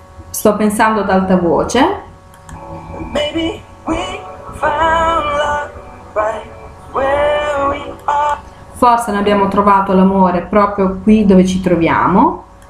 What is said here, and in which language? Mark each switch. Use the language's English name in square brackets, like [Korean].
[Italian] Sto pensando ad alta voce. [English] Maybe we found love right where we are. [Italian] Forse ne abbiamo trovato l'amore proprio qui dove ci troviamo.